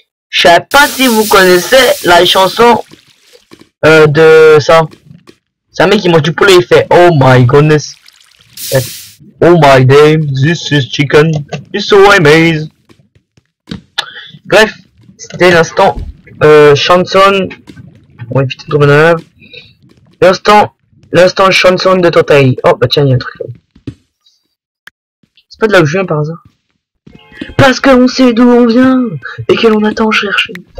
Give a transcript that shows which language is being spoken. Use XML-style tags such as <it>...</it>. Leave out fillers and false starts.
<fr>Je sais pas si vous connaissez la chanson de ça. C'est un mec qui mange du poulet, il fait</fr> <en>oh my goodness. Oh my day, this is chicken, it's so amazing.</en> <fr>Bref, c'était l'instant chanson. On va éviter de tomber dans la lave. L'instant chanson de Totaï. Oh bah tiens, il y a un truc là. C'est pas de là où je viens par hasard. Parce que on sait d'où on vient et que l'on attend chercher.</fr>